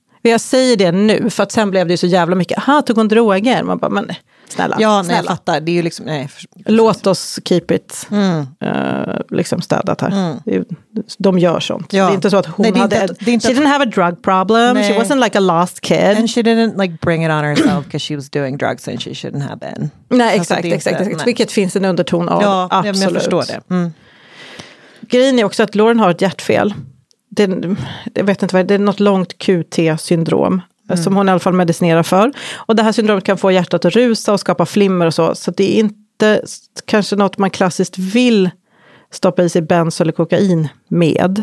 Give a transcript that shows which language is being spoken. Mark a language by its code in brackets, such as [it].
[sv] Men jag säger det nu, för att sen blev det ju så jävla mycket. Aha, tog hon droger? Man bara, men... Snälla, ja, snälla. Nej, jag fattar. Det är ju liksom, nej, låt oss [en] keep it [sv] liksom städat här. Mm. De gör sånt. Ja. Det är inte så att hon [en] she didn't have a drug problem. [sv] Nej. [en] She wasn't like a lost kid. And she didn't like bring it on herself because she was doing drugs and she shouldn't have been. [sv] Nej, exakt. Vilket finns en underton av. Ja, absolut. Jag förstår det. Mm. Grejen är också att Lauren har ett hjärtfel. Det är något långt QT-syndrom. Mm. Som hon i alla fall medicinerar för. Och det här syndromet kan få hjärtat att rusa och skapa flimmer och så. Så det är inte kanske något man klassiskt vill stoppa i sig benzo eller kokain med.